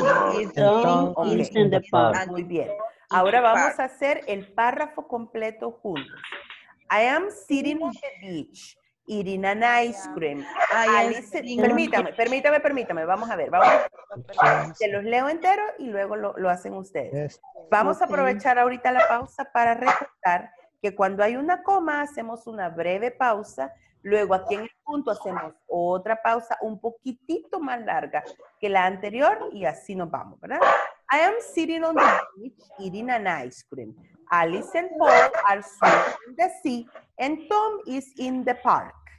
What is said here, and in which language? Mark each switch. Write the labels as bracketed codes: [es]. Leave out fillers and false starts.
[en] Alice and Paul are swimming in the sea and Tom is in the park. [es] Muy bien. Ahora vamos a hacer el párrafo completo juntos. [en] I am sitting on the beach eating an ice cream. [es] Permítame. Vamos a ver. Se los leo entero y luego lo hacen ustedes. Vamos a aprovechar ahorita la pausa para recordar que cuando hay una coma hacemos una breve pausa. Luego aquí en el punto hacemos otra pausa un poquitito más larga que la anterior y así nos vamos, ¿verdad? [en] I am sitting on the beach eating an ice cream. Alice and Paul are swimming in the sea and Tom is in the park.